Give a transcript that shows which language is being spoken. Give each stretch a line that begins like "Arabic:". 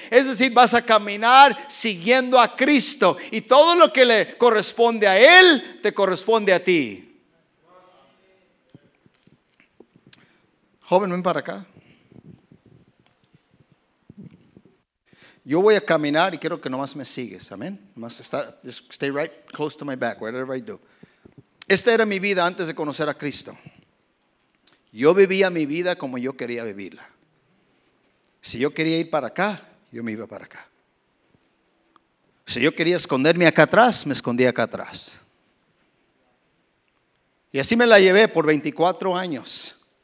Spanish: Es decir, vas a caminar siguiendo a Cristo, y todo lo que le corresponde a Él te corresponde a ti. Joven, ven para acá. Yo voy a caminar y quiero que nomás me sigues, amén. Nomás estar,
English: just stay right close to my back, whatever I do.
Spanish: Esta era mi vida antes de conocer a Cristo. Yo vivía mi vida como yo quería vivirla. Si yo quería ir para acá, yo me iba para acá. Si yo quería esconderme acá atrás, me escondía acá atrás. Y así me la llevé por 24 años.